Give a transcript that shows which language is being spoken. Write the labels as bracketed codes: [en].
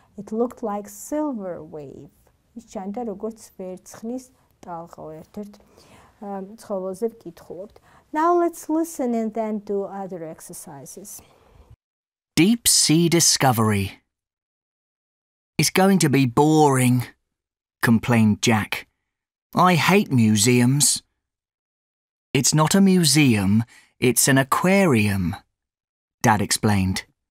[en] It looked like silver wave. [ka] ის ჩანდა როგორც ვერცხლის ტალღა. ერთ-ერთ ცხოველზე ვკითხულობთ. [en] Now let's listen and then do other exercises. Deep sea discovery. It's going to be boring, complained Jack. I hate museums. It's not a museum, it's an aquarium, Dad explained.